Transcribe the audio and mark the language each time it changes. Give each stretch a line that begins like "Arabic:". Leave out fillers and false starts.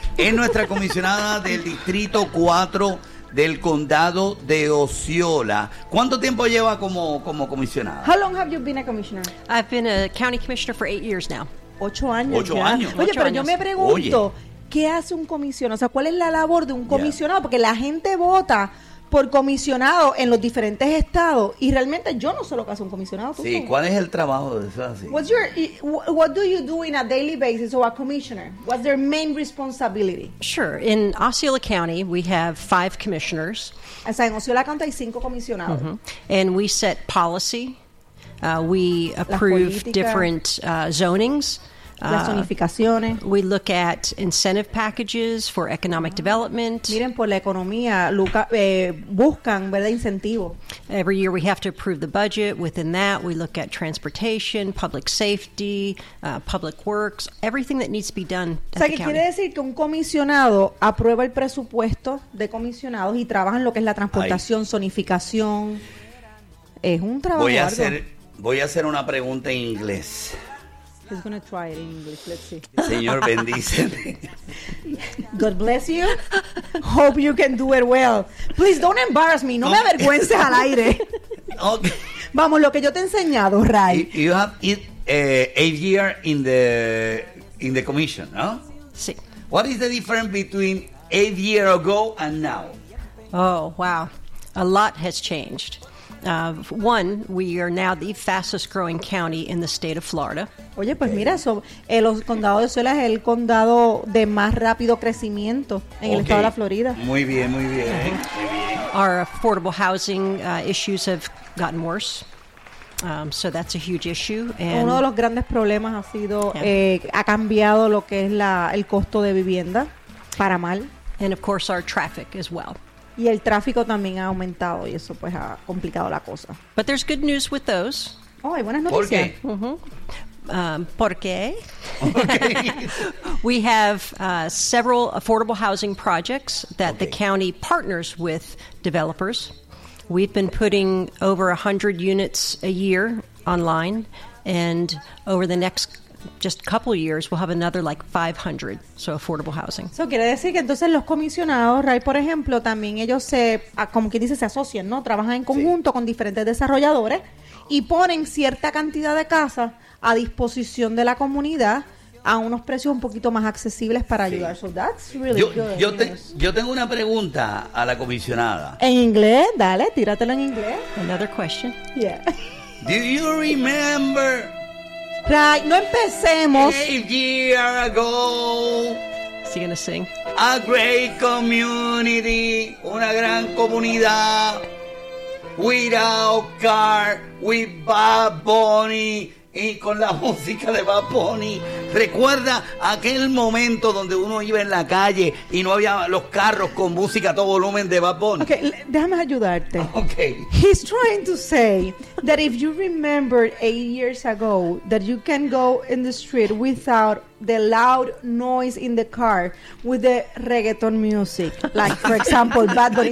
Spanish: Es nuestra comisionada del Distrito 4 del Condado de Osceola. ¿Cuánto tiempo lleva como comisionada?
English: How long have you been a commissioner? I've been a county commissioner for 8 years now.
Spanish: Ocho años. Oye, pero yo me pregunto, ¿qué hace un comisionado? O sea, ¿cuál es la labor de un comisionado? Yeah. Porque la gente vota por comisionado en los diferentes estados y realmente yo no sé lo que hace un comisionado. Sí, ¿cuál es el trabajo de eso?
English: What do you do in a daily basis or a commissioner? What's their main responsibility? Sure, in Osceola County we have 5 commissioners.
Spanish: O sea, en Osceola County hay 5 comisionados. Mm-hmm.
English: And we set policy. We approve different zonings.
Spanish: las zonificaciones.
English: We look at incentive packages for economic development.
Spanish: Miren por la economía, buscan, ¿verdad?, incentivo.
English: Every year we have to approve the budget. Within that, we look at transportation, public safety, public works, everything that needs to be done.
Spanish: O sea, que quiere decir que un comisionado aprueba el presupuesto de comisionados y trabaja en lo que es la transportación, zonificación. Es un trabajo arduo. Voy a hacer una pregunta en inglés.
English: He's going to try it in English. Let's see.
Spanish: Señor, bendíceme.
English: God bless you. Hope you can do it well. Please don't embarrass me.
Spanish: No, no me avergüences al aire.
English: Okay.
Spanish: Vamos, lo que yo te he enseñado, Ray.
English: You have 8 years in the commission, no?
Spanish: Sí.
English: What is the difference between 8 years ago and now? Oh, wow. A lot has changed. One, we are now the fastest growing county in the state of Florida.
Spanish: Oye, pues mira, el condado de Sula es el condado de más rápido crecimiento en el estado de la Florida. Muy bien, muy bien. Uh-huh.
English: Our affordable housing issues have gotten worse. So that's a huge issue.
Spanish: And uno de los grandes problemas ha sido, ha cambiado lo que es el costo de vivienda para mal.
English: And of course our traffic as well.
Spanish: Y el tráfico también ha aumentado y eso pues ha complicado la cosa.
English: But there's good news with those.
Spanish: Oh, hay buenas noticias. ¿Por qué? ¿Por qué?
English: We have several affordable housing projects that the county partners with developers. We've been putting over 100 units a year online, and over the next just a couple of years, we'll have another like 500, so affordable housing.
Spanish: So quiere decir que entonces los comisionados, Ray, por ejemplo, también ellos se, como quien dice, se asocian, ¿no? Trabajan en conjunto con diferentes desarrolladores y ponen cierta cantidad de casas a disposición de la comunidad a unos precios un poquito más accesibles para ayudar.
English: So that's really good.
Spanish: Yo tengo una pregunta a la comisionada. En inglés, dale, tíratelo en inglés.
English: Another question. Yeah. Do you remember...
Spanish: Right, no empecemos.
English: 8 years ago. Is he gonna sing? A great community,
Spanish: una gran comunidad.
English: Without car, with Bad Bunny,
Spanish: y con la música de Bad Bunny. Recuerda aquel momento donde uno iba en la calle y no había los carros con música a todo volumen de Bad Bunny. Okay, déjame ayudarte.
English: Okay. He's trying to say that if you remember 8 years ago that you can go in the street without the loud noise in the car with the reggaeton music, like for example Bad Bunny.